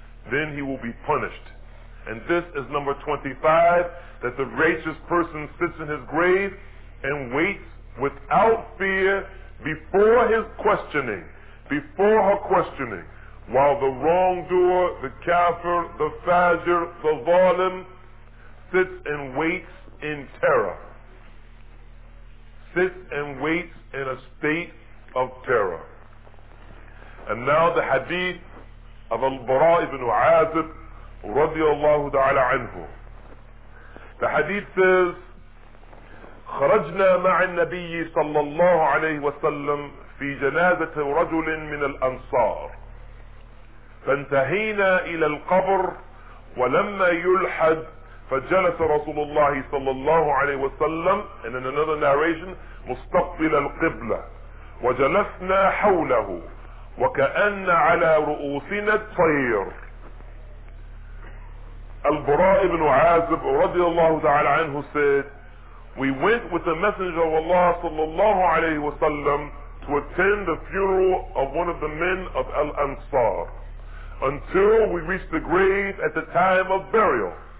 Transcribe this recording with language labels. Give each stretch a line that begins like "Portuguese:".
English: Then he will be punished. And this is number 25, that the righteous person sits in his grave and waits without fear before his questioning, before her questioning, while the wrongdoer, the kafir, the fajr, the zalim, sits and waits in terror. Sits and waits in a state of terror. And now the hadith of Al-Bara ibn Azib
Arabic: رضي الله تعالى عنه.
English: The hadith says,
Arabic: خرجنا مع النبي صلى الله عليه وسلم في جنازة رجل من الأنصار فانتهينا إلى القبر ولما يلحد فجلس رسول الله صلى الله عليه وسلم
English: and in another narration
Arabic: مستقبل القبلة وجلسنا حوله وكأن على رؤوسنا الطير.
English: Al-Bara ibn Azib radiallahu ta'ala anhu said, we went with the Messenger of Allah sallallahu alayhi wa sallam to attend the funeral of one of the men of Al-Ansar until we reached the grave at the time of burial.